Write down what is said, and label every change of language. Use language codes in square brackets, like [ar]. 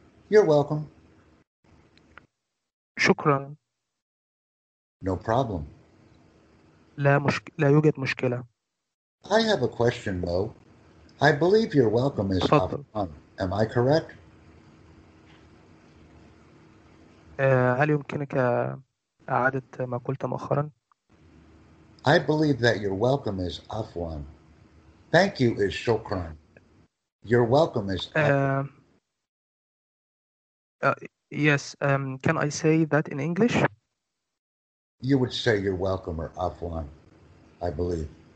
[en] You're welcome. [ar] شكرا. [en] No problem. [ar] لا يوجد مشكلة. [en] I have a question, Mo. I believe your welcome is Afghan. Am I correct? [ar] هل يمكنك إعادة ما قلت مؤخرا؟ [en] I believe that your welcome is Afwan. Thank you is shukran. Your welcome is yes, can I say that in English? You would say you're welcome or afwan, I believe.